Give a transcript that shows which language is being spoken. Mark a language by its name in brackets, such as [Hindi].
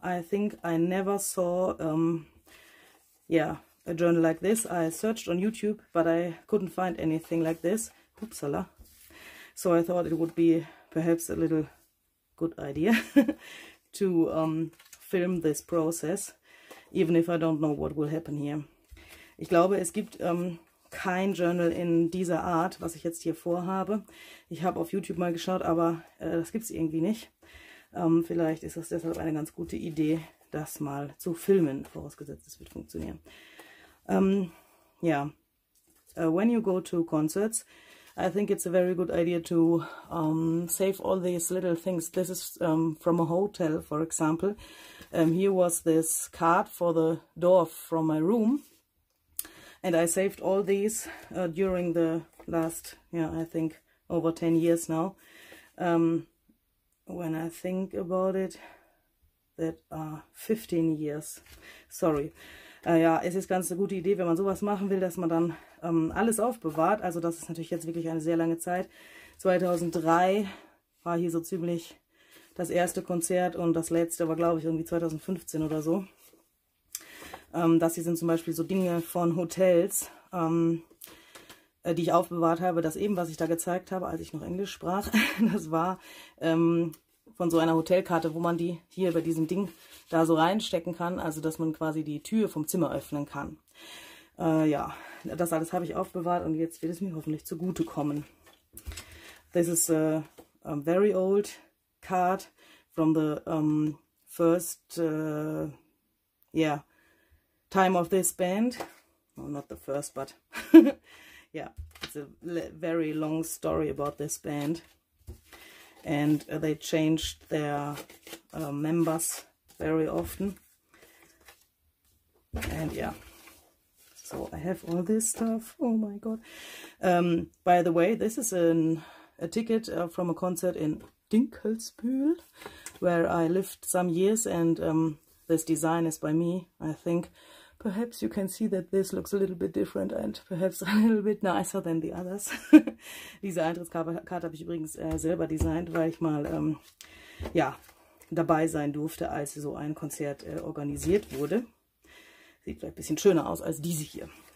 [English] I think I never saw a journal like this. I searched on YouTube, but I couldn't find anything like this. Oopsala. So I thought it would be perhaps a little good idea to film this process, even if I don't know what will happen here. [German] Ich glaube, es gibt kein Journal in dieser Art, was ich jetzt hier vorhabe. Ich habe auf YouTube mal geschaut, aber das gibt es irgendwie nicht. Vielleicht ist das deshalb eine ganz gute Idee, das mal zu filmen, vorausgesetzt, es wird funktionieren. [English] When you go to concerts, I think it's a very good idea to save all these little things. This is from a hotel, for example. Here was this card for the door from my room. And I saved all these during the last, I think over 10 years now. When I think about it, that are 15 years. Sorry. [German] Es ist ganz eine gute Idee, wenn man sowas machen will, dass man dann alles aufbewahrt. Also das ist natürlich jetzt wirklich eine sehr lange Zeit. 2003 war hier so ziemlich das erste Konzert und das letzte war, glaube ich, irgendwie 2015 oder so. Das hier sind zum Beispiel so Dinge von Hotels, die ich aufbewahrt habe. Das eben, was ich da gezeigt habe, als ich noch Englisch sprach, das war von so einer Hotelkarte, wo man die hier bei diesem Ding da so reinstecken kann, also dass man quasi die Tür vom Zimmer öffnen kann. Das alles habe ich aufbewahrt und jetzt wird es mir hoffentlich zugutekommen. [English] This is a very old card from the first time of this band. Well, not the first, but it's a very long story about this band. And they changed their members very often. And so I have all this stuff. Oh my god. By the way, this is a ticket from a concert in Dinkelsbühl, where I lived some years, and this design is by me, I think. Perhaps you can see that this looks a little bit different and perhaps a little bit nicer than the others. [German] Diese Eintrittskarte habe ich übrigens selber designt, weil ich mal dabei sein durfte, als so ein Konzert organisiert wurde. Sieht vielleicht ein bisschen schöner aus als diese hier.